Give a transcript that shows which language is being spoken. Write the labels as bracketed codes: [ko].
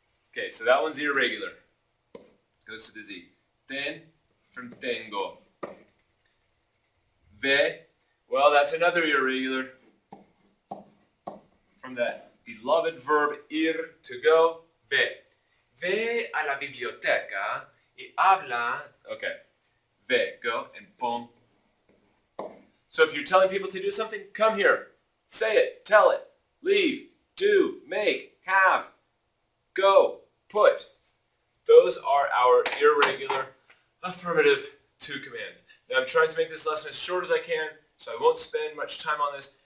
[en] Okay, so that one's irregular. Goes to the Z. Ten from tengo. Ve, well, that's another irregular from that beloved verb ir, to go. [es] Ve. Ve a la biblioteca y habla. [en] Okay. Ve, go, and boom. So if you're telling people to do something, come here. Say it. Tell it. Leave. Do. Make. Have. Go. Put. Those are our irregular affirmative two commands. Now I'm trying to make this lesson as short as I can, so I won't spend much time on this.